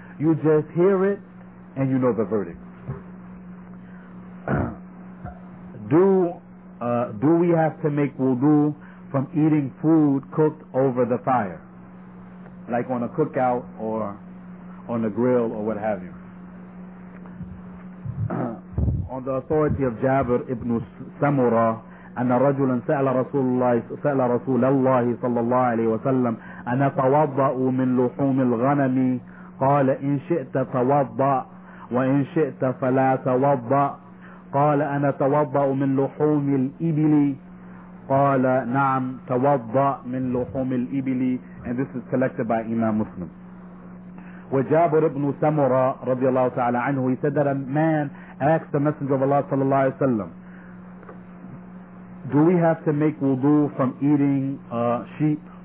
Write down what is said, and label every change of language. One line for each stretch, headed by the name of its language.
English: You just hear it and you know the verdict. Do we have to make wudu from eating food cooked over the fire, like on a cookout or on a grill or what have you? On the authority of Jabir ibn Samurah,
Arabic: أن رجلا سأل رسول الله سأل رسول الله صلى الله عليه وسلم أنا توضأ من لحوم الغنم؟ قال إن شئت توضأ وإن شئت فلا توضأ. قال أنا توضأ من لحوم الإبل. قال نعم توضأ من لحوم الإبل.
English: And this is collected by Imam Muslim.
Arabic: وجابر بن سمرة رضي الله تعالى عنه,
English: he said that a man asked the Messenger of Allah صلى الله عليه وسلم, do we have to make wudu from eating sheep?